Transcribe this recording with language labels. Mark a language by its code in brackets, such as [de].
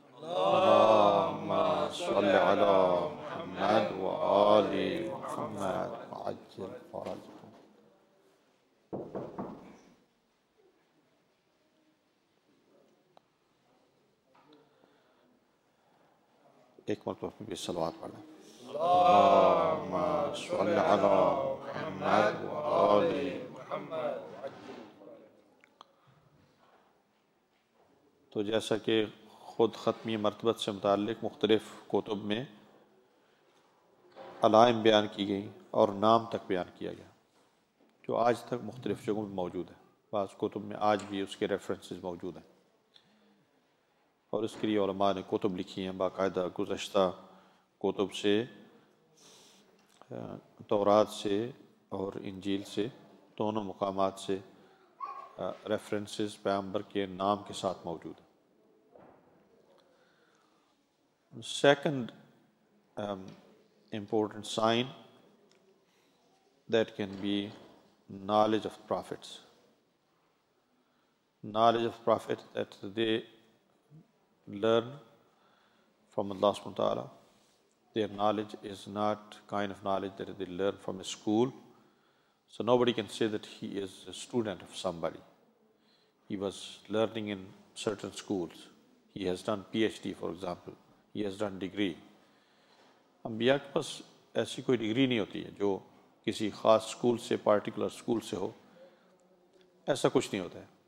[ar] اللہم صل علی محمد و آل محمد وعجل فرجہم. [ur] ایک مرتبہ بھی صلوات پڑھ لیں. [ar] اللهم صل على محمد وآل محمد. [ur] تو جیسا کہ خود ختمی مرتبت سے متعلق مختلف کتب میں علائم بیان کی گئیں اور نام تک بیان کیا گیا جو آج تک مختلف جگہوں میں موجود ہے. بعض کتب میں آج بھی اس کے ریفرنسز موجود ہیں. اور اس کے لیے علماء نے کتب لکھی ہیں باقاعدہ، گزشتہ کتب سے، تورات سے اور انجیل سے، دونوں مقامات سے ریفرنسز پیغمبر کے نام کے ساتھ موجود ہیں. [en] Second important sign that can be knowledge of prophets, knowledge of prophet that they learn from Allah سبحانہ وتعالیٰ. Their knowledge is not kind of knowledge that they learn from a school. So nobody can say that he is a student of somebody, he was learning in certain schools, he has done PhD for example, he has done degree. [ur] انبیاء کے پاس ایسی کوئی degree نہیں ہوتی ہے جو کسی خاص اسکول سے، پارٹیکولر اسکول سے ہو، ایسا کچھ نہیں ہوتا ہے.